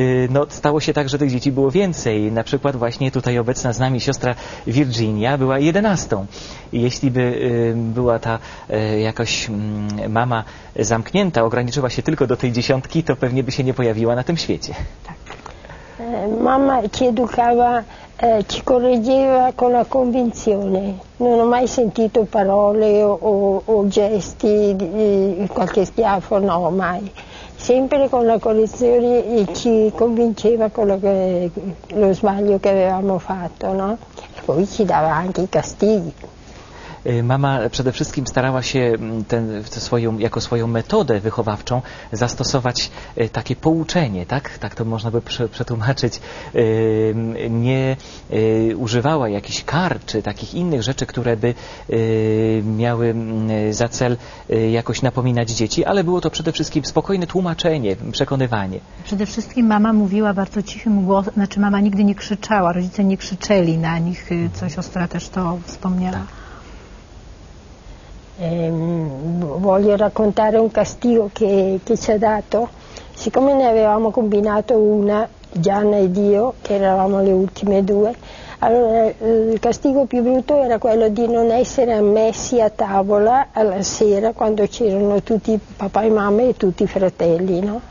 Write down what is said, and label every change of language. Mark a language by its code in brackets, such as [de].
[pl] No, stało się tak, że tych dzieci było więcej. Na przykład właśnie tutaj obecna z nami siostra Virginia była 11. Jeśli by była ta jakoś mama zamknięta, ograniczyła się tylko do tej 10, to pewnie by się nie pojawiła na tym świecie. [it] Mamma ci educava, ci correggeva con la convinzione. Non ho mai sentito parole o gesti, qualche schiaffo, no, mai. Sempre con la correzione e ci convinceva lo sbaglio che avevamo fatto, no? E poi ci dava anche i castighi. [pl] Mama przede wszystkim starała się jako swoją metodę wychowawczą zastosować takie pouczenie, tak? Tak to można by przetłumaczyć. Nie używała jakichś kar czy takich innych rzeczy, które by miały za cel jakoś napominać dzieci, ale było to przede wszystkim spokojne tłumaczenie, przekonywanie. Przede wszystkim mama mówiła bardzo cichym głosem, znaczy mama nigdy nie krzyczała, rodzice nie krzyczeli na nich, co siostra też to wspomniała. Tak. [it] Voglio raccontare un castigo che ci ha dato. Siccome ne avevamo combinato una, Gianna ed io, che eravamo le ultime due, allora il castigo più brutto era quello di non essere ammessi a tavola alla sera quando c'erano tutti papà e mamma e tutti i fratelli, no?